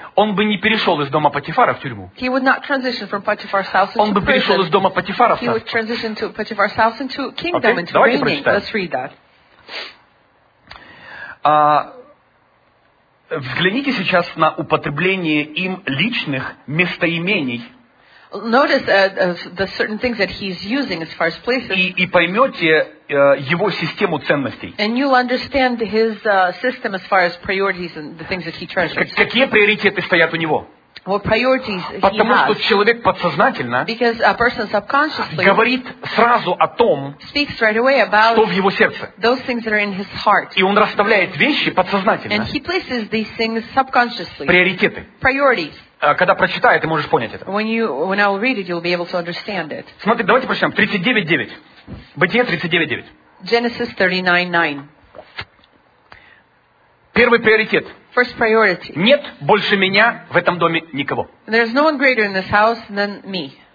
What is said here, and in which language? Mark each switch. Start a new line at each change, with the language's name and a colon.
Russian: он бы не перешел из дома Потифара в тюрьму. Он бы перешел из дома Потифара в царство. Okay, давайте прочитаем. Взгляните сейчас на употребление им личных местоимений.
English: Notice the certain things that he's using as far as places.
Russian: И поймете его систему ценностей.
English: And you'll understand his system as far as priorities and the things that he treasures.
Russian: Какие приоритеты стоят у него?
English: What priorities he
Russian: потому
English: has.
Russian: Что человек подсознательно
English: because a person subconsciously
Russian: говорит сразу о том,
English: speaks right away about
Russian: что в его сердце.
English: Those things that are in his heart.
Russian: И он расставляет вещи подсознательно.
English: And he places these things subconsciously.
Russian: Приоритеты.
English: Priorities.
Russian: Когда прочитаю, ты можешь понять это.
English: When I will read it, you'll be able to understand it.
Russian: Смотри, давайте прочитаем. 39.9. Бытие 39.9.
English: Genesis 39.9.
Russian: Первый приоритет.
English: First priority.
Russian: Нет больше меня в этом доме никого.
English: There's no one greater in this house than me.